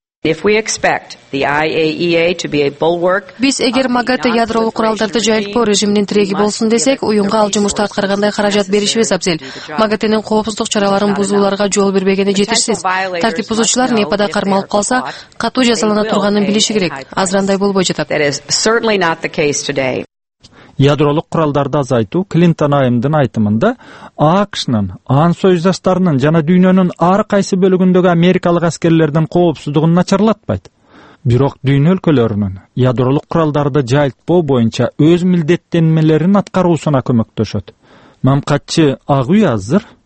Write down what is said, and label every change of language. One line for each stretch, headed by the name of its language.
English: If we expect the IAEA to be a bulwark,
Kyrgyz: биз эгер МАГАТЭ ядролук куралдарды жайылтпоо режиминин тиреги болсун десек, уюнга ал жумушту аткаргандай каражат беришибиз абзел. МАГАТЭ'нин коопсуздук чараларын бузууларга жол бербегени жетишсиз. Тартип бузуучулар НЕПА'да кармалып калса, катуу жазалана турганын билиши керек. Азырандай болбой жатат.
English: That is certainly not the case today.
Kyrgyz: Ядролук куралдарды азайтуу Клинтон айымдын айтымында АКШнын, АН союздаштарынын жана дүйнөнүн ар кайсы бөлүгүндөгү америкалык аскерлердин коопсуздугун начарлатпайт. Бирок дүйнө өлкөлөрүнүн ядролук куралдарды жайылтпоо боюнча өз милдеттенмелерин аткаруусуна көмөктөшөт. Мамкатчы Агуй азыр